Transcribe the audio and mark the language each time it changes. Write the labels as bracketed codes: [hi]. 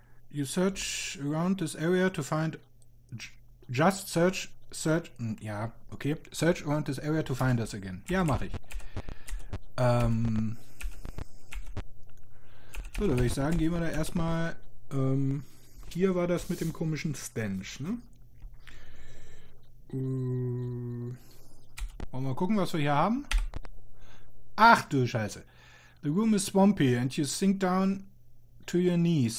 [en] You search around this area to find just search ja, okay, search around this area to find us again. [de] Ja, mache ich. So, da würde ich sagen, gehen wir da erstmal hier war das mit dem komischen Stench, ne? Wollen wir mal gucken, was wir hier haben. Ach du Scheiße. [en] The room is swampy and you sink down to your knees.